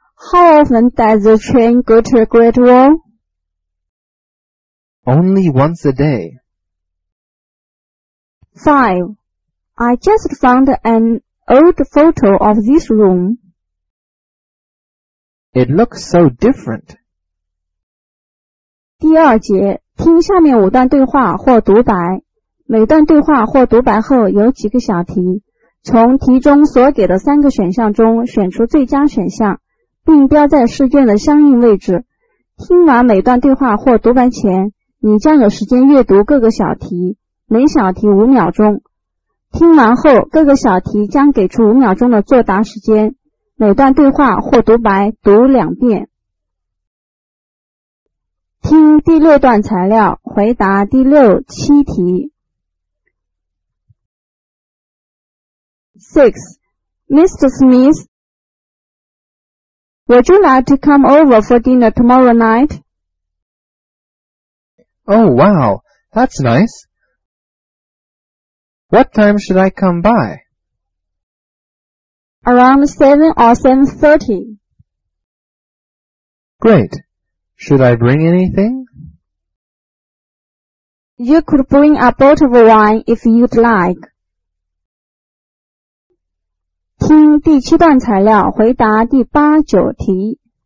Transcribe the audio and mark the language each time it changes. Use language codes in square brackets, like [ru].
[en] How often does the train go to the Great Wall? Only once a day. Five. I just found an old photo of this room. It looks so different. [zh] 第二节，听下面五段对话或独白。每段对话或独白后有几个小题。从题中所给的三个选项中选出最佳选项，并标在试卷的相应位置。听完每段对话或独白前，你将有时间阅读各个小题，每小题五秒钟。听完后，各个小题将给出五秒钟的作答时间。每段对话或独白读两遍。听第六段材料，回答第六、七题。 [en] 6. Mr. Smith, would you like to come over for dinner tomorrow night? Oh, wow, that's nice. What time should I come by? Around 7 or 7:30. Great. Should I bring anything? You could bring a bottle of wine if you'd like. [zh] 听第七段材料，回答第八、九题。